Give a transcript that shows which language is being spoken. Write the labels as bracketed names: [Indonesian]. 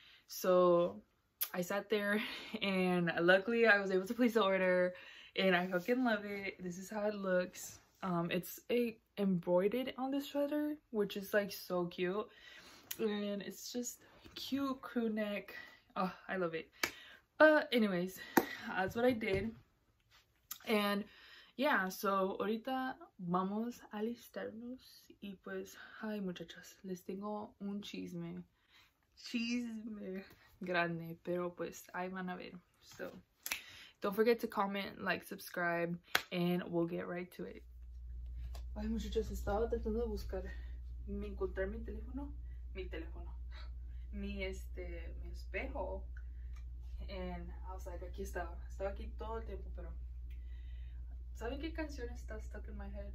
[English] So I sat there and luckily I was able to place the order and I fucking love it. This is how it looks. It's a embroidered on this sweater, which is like so cute, and it's just cute crew neck. Oh, I love it. But anyways, that's what I did, and [Spanish] So ahorita vamos a alistarnos y pues, ay muchachos, les tengo un chisme, chisme grande, pero pues ahí van a ver. [English] So, don't forget to comment, like, subscribe, and we'll get right to it. [Spanish] Ay muchachos, estaba tratando de buscar, encontrar mi teléfono, mi espejo. [English] And I was like, [Spanish] aquí estaba. Estaba aquí todo el tiempo, pero ¿saben qué canción está [English] stuck in my head?